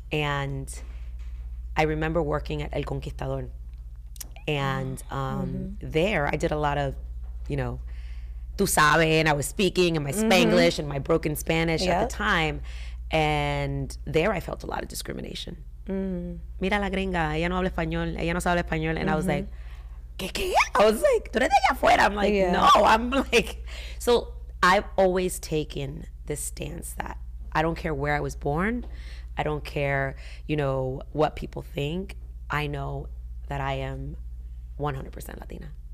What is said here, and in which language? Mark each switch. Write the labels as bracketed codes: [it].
[en] And I remember working at El Conquistador. And mm-hmm. there, I did a lot of, you know, [es] tú sabes, [en] and I was speaking in my Spanglish mm-hmm. and my broken Spanish yep. at the time. And there I felt a lot of discrimination. [es] Mira la gringa, ella no habla español, ella no sabe español. [en] And I was like, [es] ¿qué? [en] I was like, [es] ¿tú eres de allá afuera? [en] I'm like, yeah. no, I'm like. So I've always taken this stance that I don't care where I was born, I don't care, you know, what people think, I know that I am 100% Latina.